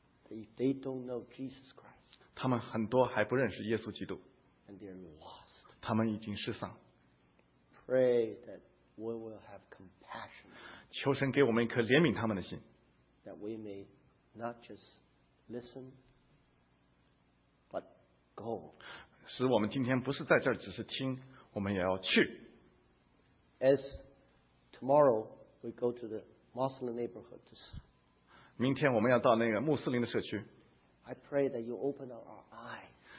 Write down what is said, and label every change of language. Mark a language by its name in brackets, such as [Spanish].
[English] If they don't know Jesus Christ, [Chinese] 他们很多还不认识耶稣基督 [English] and they're lost. [Chinese] 他们已经失丧。 [English] Pray that we will have compassion. [Chinese] 求神给我们一颗怜悯他们的心。 [English] That we may not just listen, but go. [Chinese] 使我们今天不是在这儿只是听，我们也要去。 [English] As tomorrow we go to the Muslim neighborhood to see. [Chinese] 明天我们要到那个穆斯林的社区。 [English] I pray that you open our eyes.